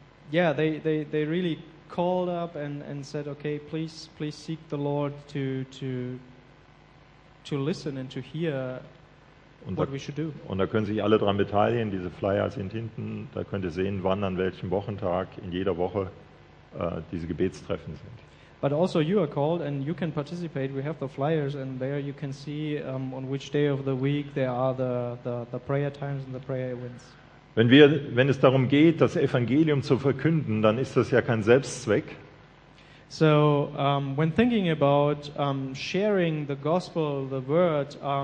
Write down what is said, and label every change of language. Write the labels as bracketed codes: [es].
[en] they really called up and said, okay, please seek the Lord to listen and to hear. [de] Und da, [en] what we should do. [de] Und da können sich alle dran beteiligen. Diese Flyer sind hinten. Da könnt ihr sehen, wann an welchem Wochentag in jeder Woche diese Gebetstreffen sind. [en] But also you are called and you can participate. We have the flyers and there you can see on which day of the week there are the prayer times and the prayer events. [de] Wenn es darum geht, das Evangelium zu verkünden, dann ist das ja kein Selbstzweck. [en] So, when thinking about sharing the gospel, the word.